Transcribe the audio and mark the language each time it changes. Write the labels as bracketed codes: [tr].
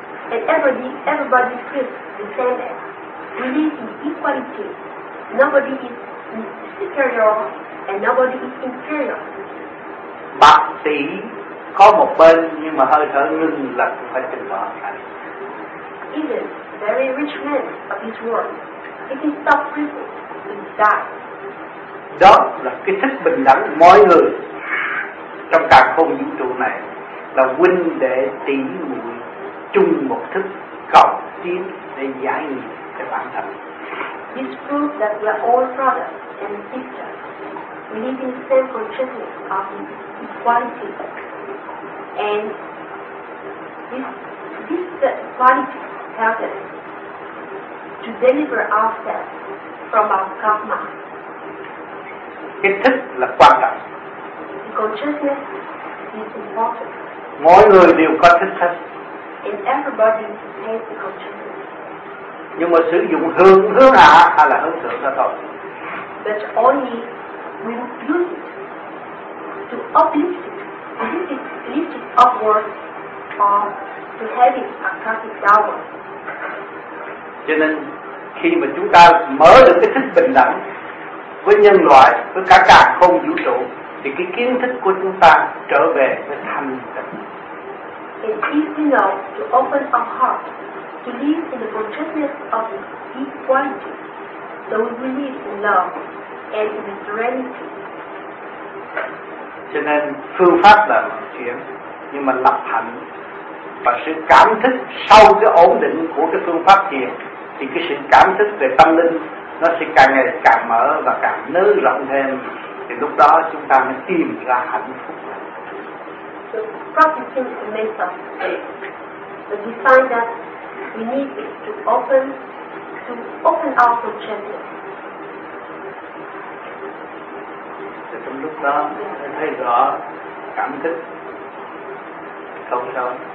[en] Everybody feels the same air. We live in equality. Nobody is superior and nobody is inferior. [vi] Bác sĩ có một bên nhưng mà hơi thở ngưng là cũng phải trình bỏ. [en] Even very rich men of this world, he can stop people and die. [vi] Đó là cái thức bình đẳng mọi người trong cả không vũ trụ này là huynh đệ tỷ muội chung một thức cầu tiến để giải nghiệp cho bản thân. [en] This proves that we are all brothers and sisters. We live in the same consciousness of equality. And this quality help us to deliver ourselves from our karma. [vi] Cái thức là quan trọng. [en] The consciousness is important. [vi] Mọi người đều có thức thức. [en] And everybody has the consciousness. [vi] Nhưng mà sử dụng hướng hạ hay là hướng thượng đó thôi. [en] But only we use it to uplift it. This is lift it upward or to have it a classic downward. [vi] Cho nên khi mà chúng ta mở được cái thức bình đẳng với nhân loại, với cả cả không vũ trụ, thì cái kiến thức của chúng ta trở về với thanh tịnh. [en] It is enough to open our heart to live in the consciousness of equality, so we believe in love and in serenity. [vi] Cho nên phương pháp là một chuyện, nhưng mà lập hạnh và sự cảm thức sau cái ổn định của cái phương pháp thiền thì cái sự cảm thức về tâm linh nó sẽ càng ngày càng mở và càng nới rộng thêm, thì lúc đó chúng ta mới tìm ra hạnh phúc. [en] So practicing the method, but we find that we need to open our consciousness. [vi] Thì trong lúc đó thấy rõ cảm thức sâu sâu.